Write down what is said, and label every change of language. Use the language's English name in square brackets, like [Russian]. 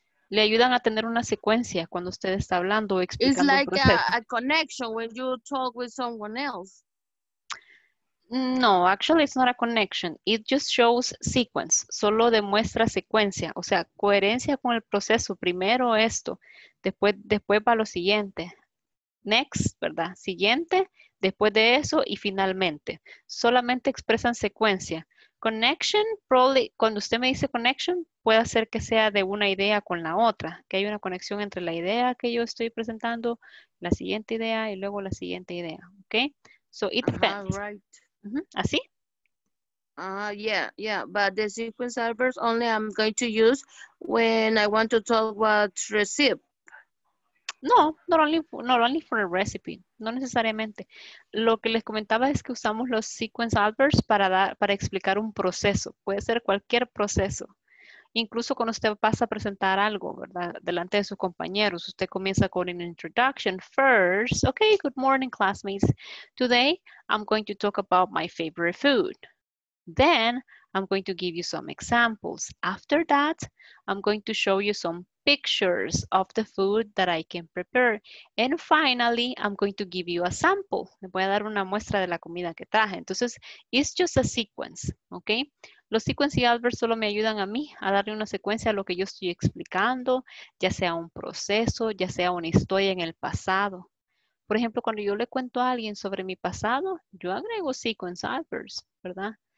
[Spanish] Le ayudan a tener una secuencia cuando usted está hablando o explicando. [English] It's like a connection when you talk with someone else. No, actually it's not a connection. It just shows sequence. [Spanish] Solo demuestra secuencia. O sea, coherencia con el proceso. Primero esto, después va lo siguiente. Next, ¿verdad? Siguiente, después de eso y finalmente. Solamente expresan secuencia. Connection, probably, cuando usted me dice connection, puede ser que sea de una idea con la otra, que hay una conexión entre la idea que yo estoy presentando, la siguiente idea y luego la siguiente idea, ¿ok? [English] So it depends. Right. [Spanish] Uh-huh. ¿Así? [English] Yeah, but the sequence adverbs only I'm going to use when I want to talk about recipe. No, not only for a recipe, [Spanish] no necesariamente. Lo que les comentaba es que usamos los sequence adverbs para explicar un proceso. Puede ser cualquier proceso. Incluso cuando usted pasa a presentar algo, ¿verdad? Delante de sus compañeros, usted comienza con an introduction. [English] First, okay, good morning, classmates. Today, I'm going to talk about my favorite food. Then, I'm going to give you some examples. After that, I'm going to show you some pictures of the food that I can prepare. And finally, I'm going to give you a sample. [Spanish] Le voy a dar una muestra de la comida que traje. Entonces, [English] it's just a sequence, okay? [Spanish] Los sequence adverbs solo me ayudan a mí a darle una secuencia a lo que yo estoy explicando, ya sea un proceso, ya sea una historia en el pasado. Por ejemplo, cuando yo le cuento a alguien sobre mi pasado, yo agrego sequence adverbs, ¿verdad?